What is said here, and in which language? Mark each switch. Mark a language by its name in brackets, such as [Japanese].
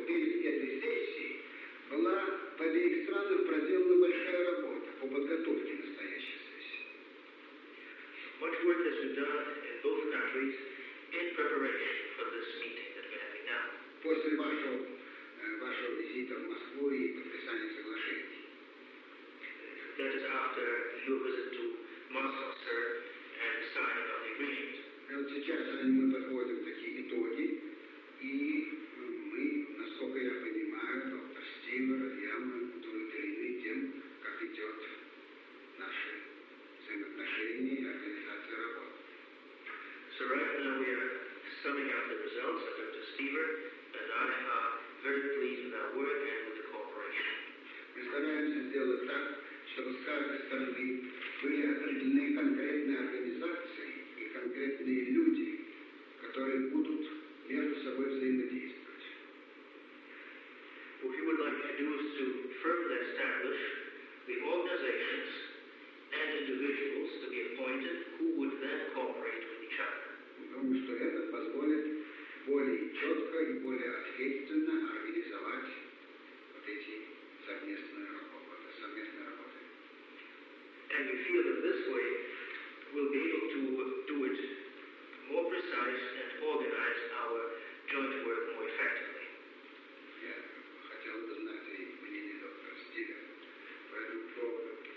[Russian] Перед этой сессией была по обеих странам проделана большая работа по подготовке настоящей сессии. [English] Much work has been done in both countries in preparation for this meeting that we're having now. [Russian] После вашего визита в Москву и подписания соглашений. [English] That is after your visit to Moscow, sir, and signing of the agreement. [Russian] И вот сейчас мы подводим такие итоги, и мы, насколько я понимаю, доктор Стивер, явно удовлетворены тем, как идет наше взаимоотношение и организация работы. [English] So right now we are summing up the results of Dr. Stever, and I am very pleased with our work and with the cooperation. [Russian] Мы стараемся сделать так, чтобы с каждой стороны были определены конкретные организации и конкретные люди, которые будут между собой взаимодействовать. [English] What we would like to do is to further establish the organizations and individuals to be appointed who would then cooperate with each other. [Russian] Потому что это позволит более четко и более ответственно организовать вот эти совместные работы. [English] And we feel that this way we'll be able to do it more precise and organize our joint work more effectively. [Russian] Я хотел бы знать и мнение доктора Стивера по этому поводу.